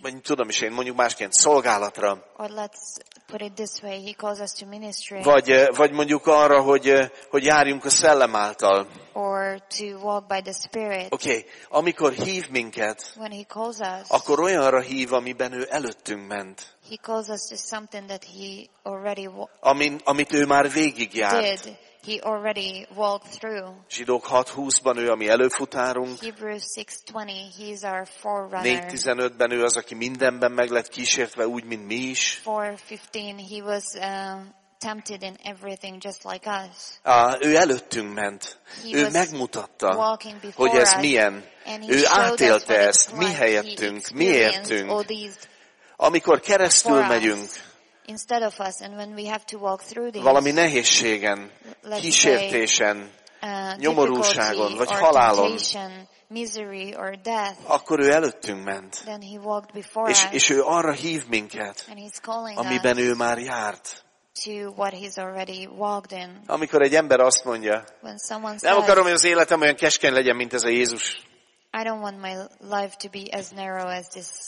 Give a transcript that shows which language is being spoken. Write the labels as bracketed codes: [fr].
[hu] Vagy tudom is én, mondjuk másként, szolgálatra. [en] Or let's put it this way, he calls us to ministry. [hu] Vagy mondjuk arra, hogy járjunk a szellem által. [en] Or to walk by the Spirit. [hu] Okay. Amikor hív minket, [en] when he calls us, [hu] akkor olyanra hív, amiben ő előttünk ment. [en] He calls us to something that he already [hu] amit ő már végigjárt. [en] He already walked through. [hu] Zsidók 6:20-ban ő a mi előfutárunk. [en] Hebrews 6:20, he is our forerunner. [hu] 4:15-ben ő az, aki mindenben meg lett kísértve, úgy, mint mi is. [en] 4:15, he was tempted in everything just like us. [hu] Ő előttünk ment. Ő megmutatta, [en] walking before [hu] hogy ez [en] us, [hu] milyen. Ő átélte ezt, mi helyettünk, mi értünk. Amikor keresztül megyünk, [en] instead of us, and when we have to walk through these, [hu] valami nehézségen, kísértésen, nyomorúságon, vagy [en] or [hu] halálon, [en] misery or death, [hu] akkor ő előttünk ment. [en] Then he walked before [hu] és, [en] us, [hu] és ő arra hív minket, [en] and he's calling [hu] amiben [en] us [hu] ő már járt. [en] To what he's already walked in. [hu] Amikor egy ember azt mondja, [en] when someone [hu] nem [en] says, [hu] akarom, hogy az életem olyan keskeny legyen, mint ez a Jézus. [en] I don't want my life to be as narrow as this.